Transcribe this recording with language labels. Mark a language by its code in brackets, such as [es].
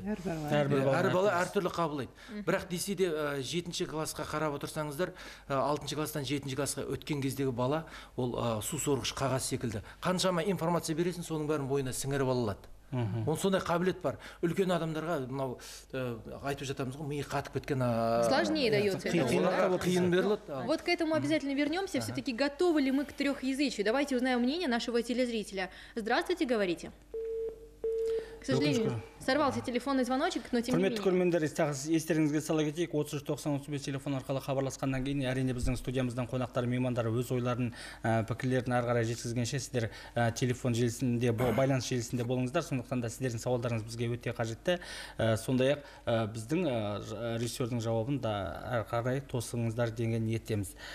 [kk] Әр бала әртүрлі қабылдайды. Бірақ десе де 7-ші класқа қарап отырсаңыздар, 6-ші кластан 7-ші класқа өткен кездегі бала ол су сорғыш қағаз секілді. Қаншама информация бересің, соның бәрін бойына сіңіріп алады. Он сондай қабілет бар. Үлкен адамдарға мынау айтып жатамыз ғой, миы қатып кеткен. [ru] Сложнее дается. [kk] Қиын беріледі. [ru] Вот к этому обязательно вернемся. Все-таки готовы ли мы к трехязычию? Давайте узнаем мнение нашего телезрителя. Здравствуйте, говорите. К сожалению, сорвался телефонный звоночек, но тем не менее. [kk] Құрметті көрермендер, естеріңізге сала кетейік, 3090-35 телефон арқылы хабарласқаннан кейін, әрине біздің студиямыздан қонақтар, меймандар өз ойларын, пікірлерін ары қарай жеткізгенше, сіздер телефон желісінде, байланыс желісінде болыңыздар, сондықтан да сіздердің сауалдарыңыз бізге өте қажетті. Сондай-ақ біздің режиссердің жауабын да ары қарай тосыңыздар деген ниеттеміз.